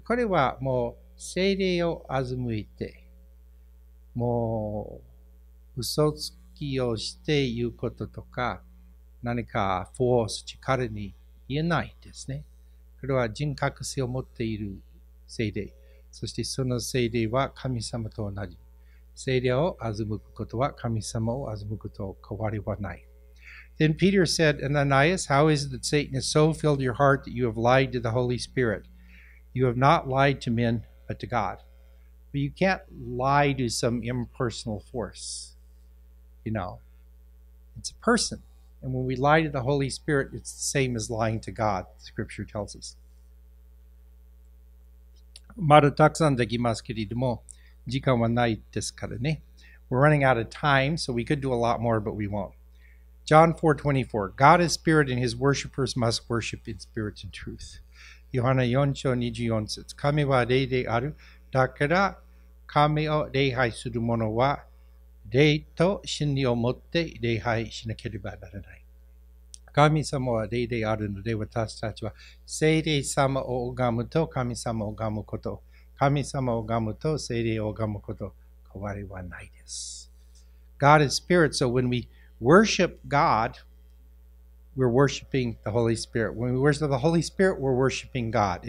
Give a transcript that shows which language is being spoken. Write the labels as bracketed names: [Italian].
[Japanese] これはもう聖霊を欺いて、もう嘘つきをして言うこととか、何かフォース、力に言えないですね。これは人格性を持っている聖霊。そしてその聖霊は神様と同じ。聖霊を欺くことは神様を欺くことは変わりはない。 [English] Then Peter said, Ananias, how is it that Satan has so filled your heart that you have lied to the Holy Spirit? You have not lied to men, but to God. But you can't lie to some impersonal force. You know, it's a person. And when we lie to the Holy Spirit, it's the same as lying to God, Scripture tells us. [Japanese] まだたくさんできますけれども、時間はないですからね。 [English] We're running out of time, so we could do a lot more, but we won't. John 4:24, God is spirit and his worshippers must worship in spirit and truth. [Japanese] ヨハネ4章24節、神は霊である。だから神を礼拝する者は、霊と真理を持って礼拝しなければならない。神様は霊であるので、私たちは聖霊様を拝むと神様を拝むこと、神様を拝むと聖霊を拝むこと、変わりはないです。 [English] God is spirit, so when we worship God, we're worshiping the Holy Spirit. When we worship the Holy Spirit, we're worshiping God.